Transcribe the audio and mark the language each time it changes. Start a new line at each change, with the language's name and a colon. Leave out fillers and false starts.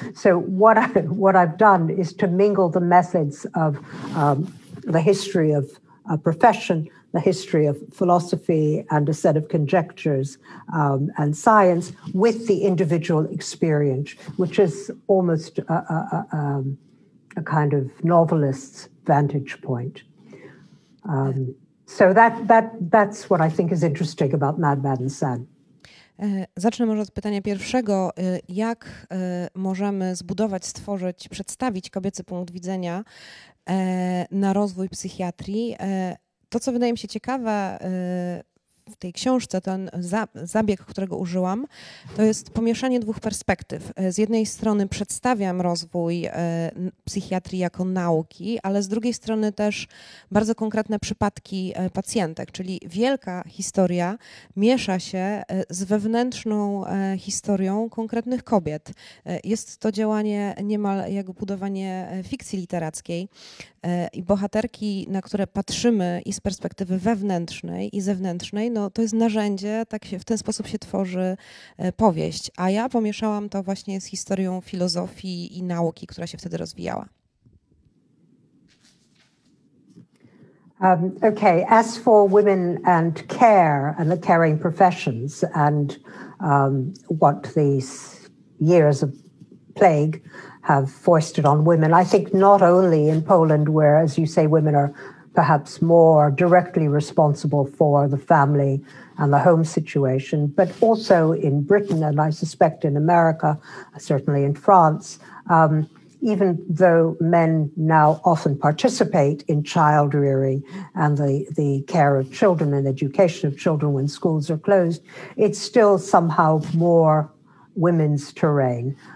English: So what I've done is to mingle the methods of the history of a profession, the history of philosophy and a set of conjectures and science with the individual experience, which is almost a kind of novelist's vantage point. So that's what I think is interesting about Mad, Mad and Sad.
Polish: Zacznę może od pytania pierwszego. Jak możemy zbudować, stworzyć, przedstawić kobiecy punkt widzenia na rozwój psychiatrii? To, co wydaje mi się ciekawe w tej książce, ten zabieg, którego użyłam, to jest pomieszanie dwóch perspektyw. Z jednej strony przedstawiam rozwój psychiatrii jako nauki, ale z drugiej strony też bardzo konkretne przypadki pacjentek, czyli wielka historia miesza się z wewnętrzną historią konkretnych kobiet. Jest to działanie niemal jak budowanie fikcji literackiej. I bohaterki, na które patrzymy i z perspektywy wewnętrznej i zewnętrznej, no to jest narzędzie, tak się, w ten sposób się tworzy powieść. A ja pomieszałam to właśnie z historią filozofii i nauki, która się wtedy rozwijała.
English: Okay, as for women and care and the caring professions and what these years of plague have forced it on women. I think not only in Poland, where, as you say, women are perhaps more directly responsible for the family and the home situation, but also in Britain, and I suspect in America, certainly in France, even though men now often participate in child rearing and the care of children and education of children when schools are closed, it's still somehow more women's terrain.